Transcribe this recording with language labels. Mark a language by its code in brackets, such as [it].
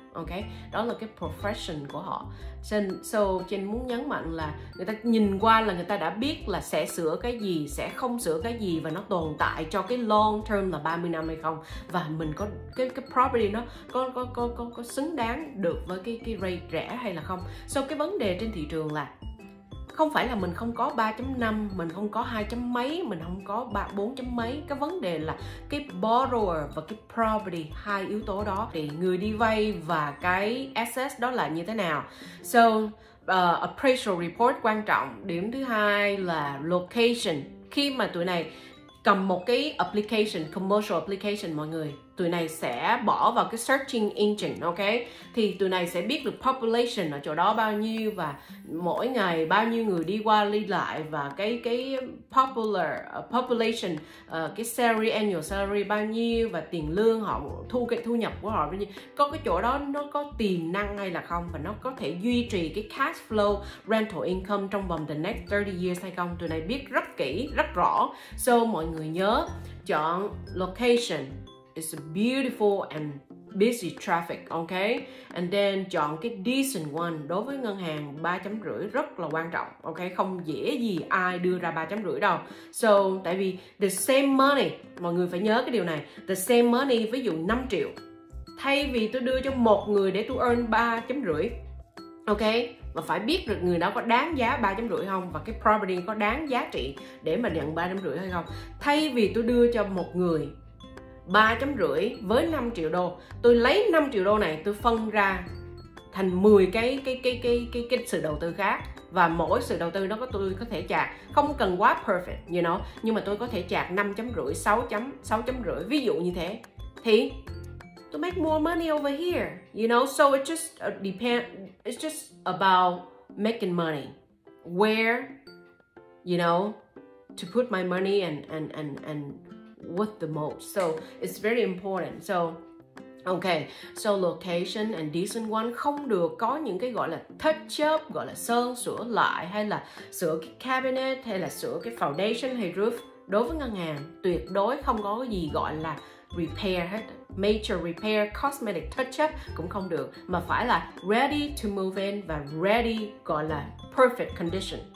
[vi] Ok, đó là cái profession của họ. So Jen muốn nhấn mạnh là người ta nhìn qua là người ta đã biết là sẽ sửa cái gì, sẽ không sửa cái gì, và nó tồn tại cho cái long term là 30 năm hay không, và mình có cái property nó có xứng đáng được với cái rate rẻ hay là không. So cái vấn đề trên thị trường là không phải là mình không có 3.5, mình không có 2 chấm mấy, mình không có 4 chấm mấy. Cái vấn đề là cái borrower và cái property, hai yếu tố đó, thì người đi vay và cái assets đó là như thế nào. So, appraisal report quan trọng. Điểm thứ hai là location. Khi mà tụi này cầm một cái application, commercial application, mọi người, tụi này sẽ bỏ vào cái searching engine, ok? Thì tụi này sẽ biết được population ở chỗ đó bao nhiêu, và mỗi ngày bao nhiêu người đi qua đi lại, và cái popular population, cái salary, annual salary bao nhiêu, và tiền lương họ thu, cái thu nhập của họ bao nhiêu, có cái chỗ đó nó có tiềm năng hay là không, và nó có thể duy trì cái cash flow rental income trong vòng the next 30 years hay không. Tụi này biết rất kỹ, rất rõ. So mọi người nhớ chọn location. [en] It's a beautiful and busy traffic, okay? And then chọn cái decent one. [vi] Đối với ngân hàng 3.5 rất là quan trọng, okay? Không dễ gì ai đưa ra 3.5 đâu. So, tại vì the same money, mọi người phải nhớ cái điều này. The same money, ví dụ 5 triệu, thay vì tôi đưa cho một người để tôi earn 3.5, okay? Mà phải biết được người đó có đáng giá 3.5 không, và cái property có đáng giá trị để mà nhận 3.5 hay không. Thay vì tôi đưa cho một người 3.5 với 5 triệu đô, tôi lấy 5 triệu đô này tôi phân ra thành 10 cái sự đầu tư khác, và mỗi sự đầu tư nó có, tôi có thể chạc không cần quá perfect, you know, nhưng mà tôi có thể chạc 5.5, 6.5, ví dụ như thế, thì tôi make more money over here, you know. [en] So it just depend, it's just about making money, where, you know, to put my money and what the most. So it's very important. So okay, so location and decent one. [vi] Không được có những cái gọi là touch up, gọi là sơn sửa lại, hay là sửa cái cabinet, hay là sửa cái foundation hay roof. Đối với ngân hàng tuyệt đối không có cái gì gọi là repair hết. Major repair, cosmetic touch up cũng không được, mà phải là ready to move in, và ready gọi là perfect condition.